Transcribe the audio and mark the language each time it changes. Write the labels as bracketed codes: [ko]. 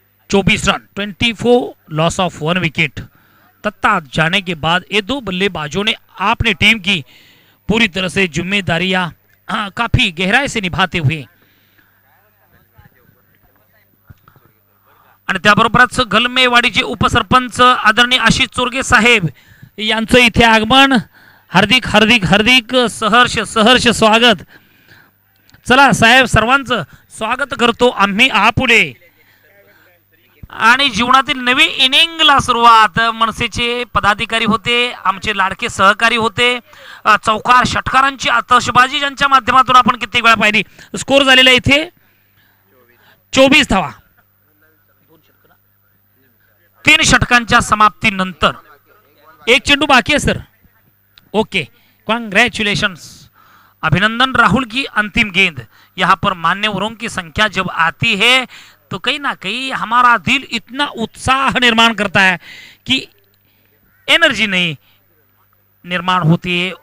[hi] चौबीस run 24 loss of one wicket तत्ता जाने के बाद ये दो बल्लेबाजों ने आपने टीम की पूरी तरह से जिम्मेदारियां काफी गहराई से निभाते हुए [mr] गलमेवाड़ीची उपसरपंच आदरणीय आशीष चोरगे साहेब यांचं इथे आगमन, हार्दिक हार्दिक हार्दिक सहर्ष सहर्ष स्वागत। चला साहेब सर्वांचं स्वागत करतो आम्ही आपुले, आणि जीवनातील नवी इनिंगला सुरुवात। मनसेचे पदाधिकारी होते, आमचे लाडके सहकारी होते, चौकार षटकारांची आतषबाजी ज्यांच्या माध्यमातून आपण कित्येक वेळा पाहिली। स्कोर झालेला इथे 24 धावा, तीन षटकांच्या समाप्तीनंतर एक चेंडू बाकी आहे सर। [hi] ओके कॉन्ग्रॅच्युलेशन्स, [mr] अभिनंदन [hi] राहुल की अंतिम गेंद। यहां पर मान्यवरों की संख्या जब आती है तो कहीं ना कहीं हमारा दिल इतना उत्साह निर्माण करता है कि एनर्जी नहीं निर्माण होती है।